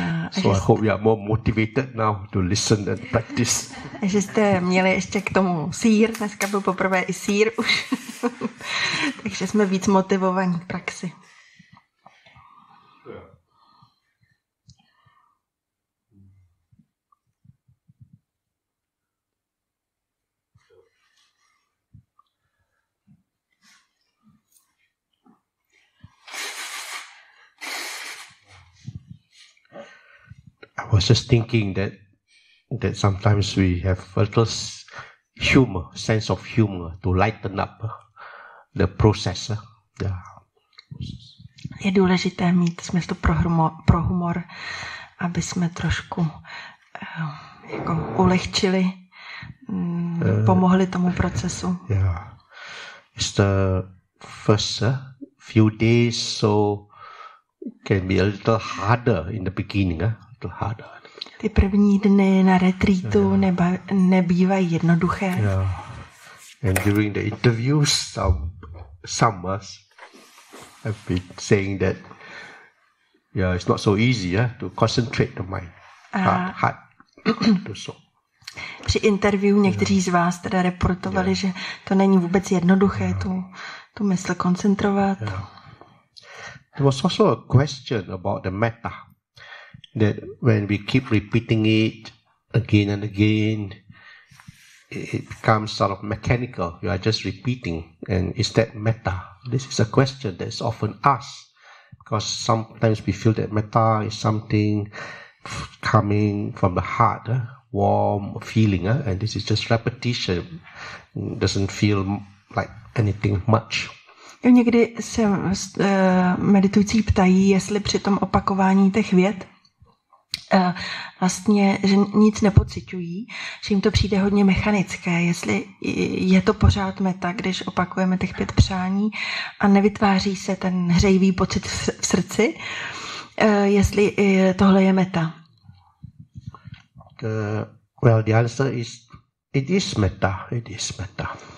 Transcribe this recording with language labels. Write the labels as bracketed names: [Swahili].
[English] So I hope you are more motivated now to listen and practice. [Czech] Že jste měli ještě k tomu sýr, dneska byl poprvé i sýr už, takže jsme víc motivovaní k praxi. [English] I was just thinking that sometimes we have a little humor, sense of humor to lighten up the process. Yeah. [Czech] Je důležité mít smysl pro humor, aby jsme trošku jako ulehčili, pomohli tomu procesu. Yeah. [English] It's the first few days, so can be a little harder in the beginning. [Czech] Ty první dny na retreatu nebývají jednoduché. Yeah. [English] And during the interviews, some us have been saying that, yeah, it's not so easy, to concentrate the mind, heart, the soul. [Czech] Při interview někteří z vás teda reportovali, že to není vůbec jednoduché tu mysl koncentrovat. Yeah. [English] There was also a question about the metta. That when we keep repeating it again and again, it becomes sort of mechanical. You are just repeating, and is that metta? This is a question that is often asked, because sometimes we feel that metta is something coming from the heart, warm feeling, and this is just repetition. It doesn't feel like anything much. [Czech] Někdy se meditující ptají, jestli při tom opakování těch vět vlastně, že nic nepociťují, že jim to přijde hodně mechanické, jestli je to pořád meta, když opakujeme těch pět přání a nevytváří se ten hřejivý pocit v srdci, jestli tohle je meta. [English] Well, the answer is, it is meta, it is meta.